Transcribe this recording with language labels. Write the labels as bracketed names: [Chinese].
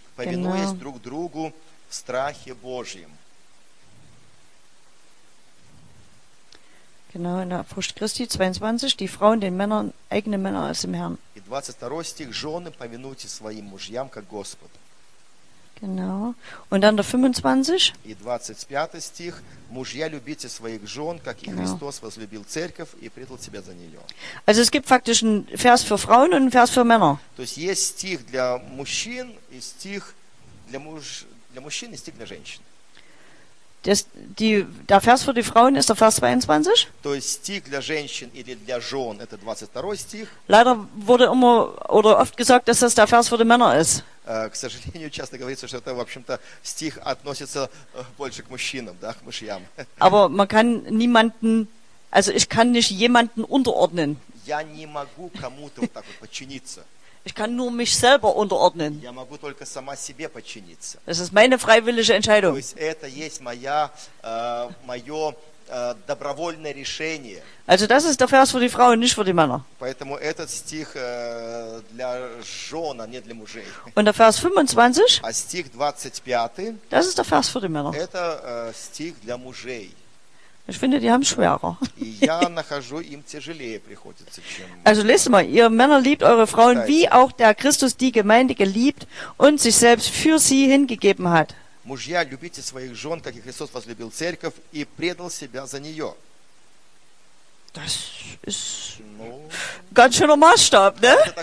[Russian] Повинуясь [German] genau. [Russian] Друг другу в страхе Божьем. [German] Genau, in der Furcht Christi 22, die Frauen den Männern, eigenen Männern als dem Herrn. [Russian] И 22 стих. Жены, повинуйтесь своим мужьям, как Господу. [German] Genau. Und dann der 25. [Russian] И 25 стих. Мужья, любите своих жен, как и Христос возлюбил церковь и предал себя за нее. [German] Also es gibt faktisch einen Vers für Frauen und einen Vers für Männer. [Russian] То есть есть стих для мужчин и стих для мужчин и стих для женщин. [German] Der Vers für die Frauen ist der Vers 22. [Russian] То есть стих для женщин или для жен это 22 стих. [German] Leider wurde immer oder oft gesagt, dass das der Vers für die Männer ist. [Russian] К сожалению, часто говорится, что это, в общем-то, стих относится больше к мужчинам, да, к мужьям. [German] Aber man kann niemanden, also ich kann nicht jemanden unterordnen. [Russian] Я не могу кому-то вот так вот подчиниться. [German] Ich kann nur mich selber unterordnen. [Russian] Я могу только сама себе подчиниться. [German] Das ist meine freiwillige Entscheidung. [Russian] То есть это есть моя, мое добровольное решение. [German] Also das ist der Vers für die Frauen, nicht für die Männer. [Russian] Поэтому этот стих для жен, а не для мужей. [German] Und der Vers 25, [Russian] а стих 25, [German] das ist der Vers für die Männer. [Russian] Это стих для мужей. [German] Ich finde, die haben schwerer. [Russian] И я нахожу им тяжелее приходится, чем... [German] Also, lest mal, ihr Männer liebt eure Frauen, wie auch der Christus die Gemeinde geliebt und sich selbst für sie hingegeben hat. [Russian] Мужья, любите своих жен, как и Христос возлюбил церковь и предал себя за нее. [German] Das ist ganz schöner Maßstab, ne?